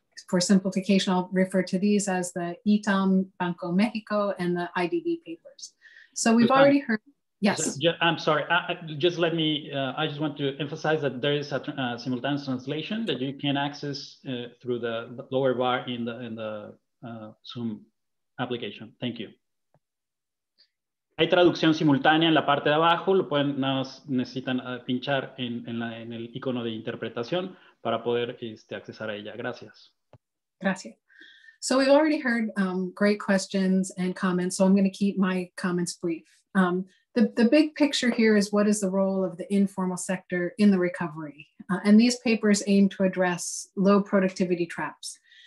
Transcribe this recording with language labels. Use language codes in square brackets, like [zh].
[en] For simplification, I'll refer to these as the ITAM Banco Mexico and the IDB papers. So we've already heard, yes. I'm sorry, I just want to emphasize that there is a simultaneous translation that you can access through the lower bar in the Zoom application. Thank you. [es] Hay traducción simultánea en la parte de abajo, lo pueden, nada más necesitan pinchar en el icono de interpretación para poder accesar a ella. Gracias. Gracias. [en] So we've already heard great questions and comments, so I'm going to keep my comments brief. The big picture here is what is the role of the informal sector in the recovery? And these papers aim to address low productivity traps.